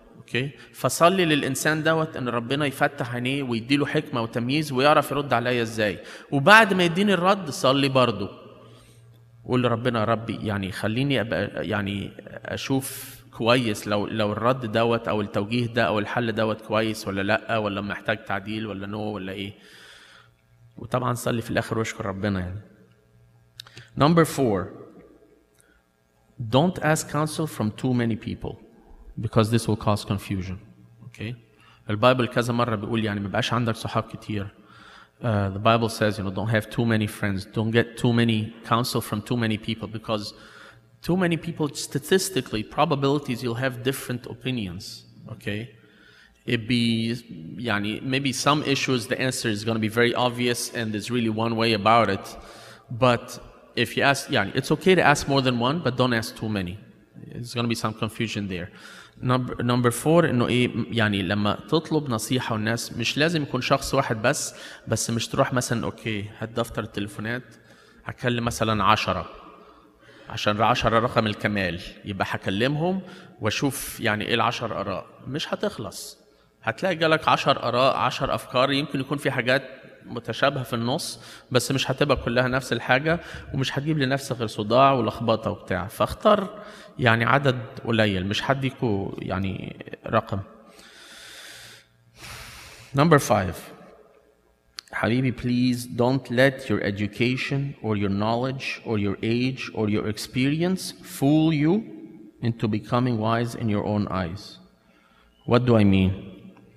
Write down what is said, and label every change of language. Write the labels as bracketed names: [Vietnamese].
[Arabic] أوكي، فصلي للإنسان دوت أن ربنا يفتح عينيه ويديله حكمة وتمييز ويعرف يرد عليا إزاي، وبعد ما يديني الرد صلي برضه قول ربنا ربي يعني خليني أبقى يعني أشوف كويس لو الرد دوت أو التوجيه ده أو الحل دوت كويس ولا لأ، ولا محتاج تعديل ولا نو ولا إيه. وطبعا صلي في الآخر واشكر ربنا. يعني [English] number four, don't ask counsel from too many people because this will cause confusion. Okay, [Arabic] البايبل كذا مرة بيقول يعني ما بقاش عندك صحاب كتير. [English] The Bible says, you know, don't have too many friends, don't get too many counsel from too many people, because too many people, statistically, probabilities you'll have different opinions. Okay, it be [Arabic] يعني [English] maybe some issues the answer is going to be very obvious and there's really one way about it, but if you ask يعني it's okay to ask more than one, but don't ask too many. It's going to be some confusion there. Number four, [Arabic] إنه إيه يعني لما تطلب نصيحة والناس مش لازم يكون شخص واحد بس، بس مش تروح مثلا أوكي هات دفتر التليفونات هكلم مثلا 10 عشان 10 رقم الكمال، يبقى هكلمهم وأشوف يعني إيه 10 آراء. مش هتخلص، هتلاقي جالك 10 آراء 10 أفكار، يمكن يكون في حاجات متشابهة في النص بس مش هتبقى كلها نفس الحاجة، ومش هتجيب لنفسك غير صداع ولخبطة وبتاع. فاختر يعني عدد قليل، مش هديكوا يعني رقم. [English] Number five, [Arabic] حبيبي [English] please don't let your education or your knowledge or your age or your experience fool you into becoming wise in your own eyes. What do I mean?